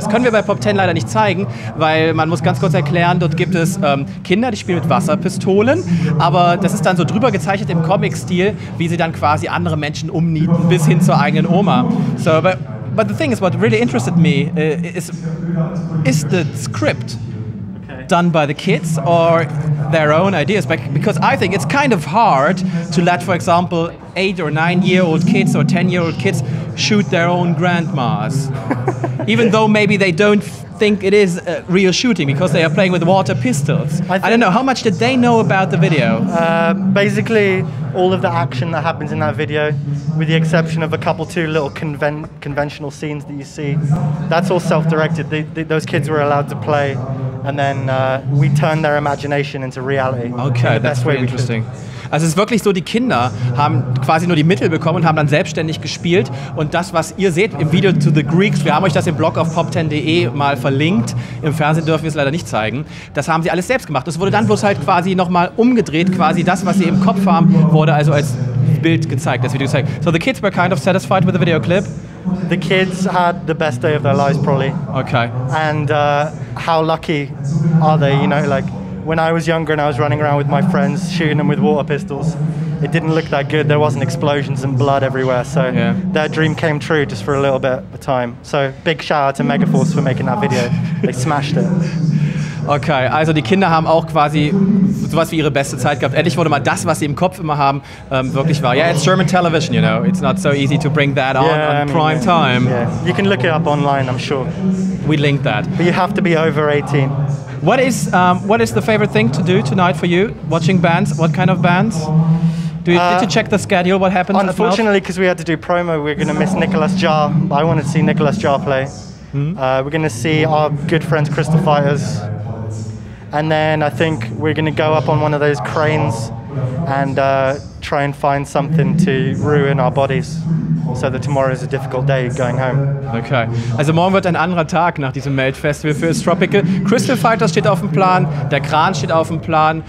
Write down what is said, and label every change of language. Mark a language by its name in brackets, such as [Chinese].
[German] Das können wir bei Pop 10 leider nicht zeigen, weil man muss ganz kurz erklären, dort gibt es Kinder, die spielen mit Wasserpistolen, aber das ist dann so drüber gezeichnet im Comic-Stil, wie sie dann quasi andere Menschen umnieten, bis hin zur eigenen Oma. [English] So, but the thing is, what really interested me is the script done by the kids or their own ideas, because I think it's kind of hard to let, for example, 8 or 9 year old kids or 10 year old kids shoot their own grandmas, even though maybe they don't think it is real shooting because they are playing with water pistols. I don't know, how much did they know about the video? Basically, all of the action that happens in that video, with the exception of a couple two little conventional scenes that you see, that's all self-directed. Those kids were allowed to play, and then we turned their imagination into reality. Okay, that's very interesting. [German] Also es ist wirklich so, die Kinder haben quasi nur die Mittel bekommen und haben dann selbstständig gespielt. Und das, was ihr seht im Video zu The Greeks, wir haben euch das im Blog auf pop10.de mal verlinkt, im Fernsehen dürfen wir es leider nicht zeigen, das haben sie alles selbst gemacht. Das wurde dann bloß halt quasi nochmal umgedreht, quasi das, was sie im Kopf haben, wurde also als Bild gezeigt, das Video gezeigt. [English] So the kids were kind of satisfied with the video clip? The kids had the best day of their lives, probably. Okay. And how lucky are they, you know, like... When I was younger and I was running around with my friends shooting them with water pistols, it didn't look that good. There wasn't explosions and blood everywhere. So their dream came true just for a little bit of time. So big shout out to Megaforce for making that video. They smashed it. [German] Okay, also die Kinder haben auch quasi sowas wie ihre beste Zeit gehabt. Endlich wurde mal das, was sie im Kopf immer haben, wirklich wahr. [English] Yeah, it's German television, you know. It's not so easy to bring that on prime time. Yeah. You can look it up online, I'm sure. We link that. But you have to be over 18. What is the favorite thing to do tonight for you? Watching bands? What kind of bands? Did you check the schedule? What happened? Unfortunately, because we had to do promo, we're going to miss Nicolas Jaar. I wanted to see Nicolas Jaar play. We're going to see our good friends Crystal Fighters. And then I think we're going to go up on one of those cranes and try and find something to ruin our bodies. So that tomorrow is a difficult day going home. Okay. [German] Also morgen wird ein anderer Tag nach diesem Melt-Festival für Estropical. Crystal Fighters steht auf dem Plan, der Kran steht auf dem Plan.